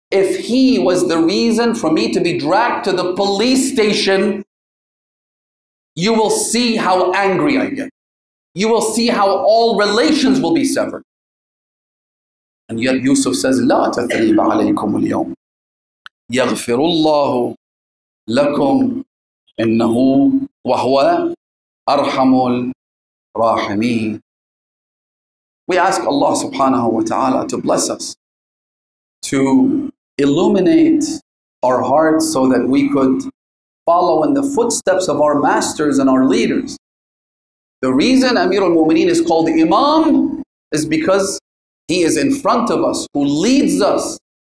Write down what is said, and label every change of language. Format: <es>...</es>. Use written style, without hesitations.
<en>If he was the reason for me to be dragged to the police station, you will see how angry I get. You will see how all relations will be severed. And yet Yusuf says,</en> <ar>لا تثريب عليكم اليوم. يغفر الله لكم إنه وهو أرحم الراحمين.</ar> <en>We ask Allah subhanahu wa ta'ala to bless us, to illuminate our hearts so that we could follow in the footsteps of our masters and our leaders. The reason Amir al-Mu'mineen is called Imam is because he is in front of us, who leads us.</en>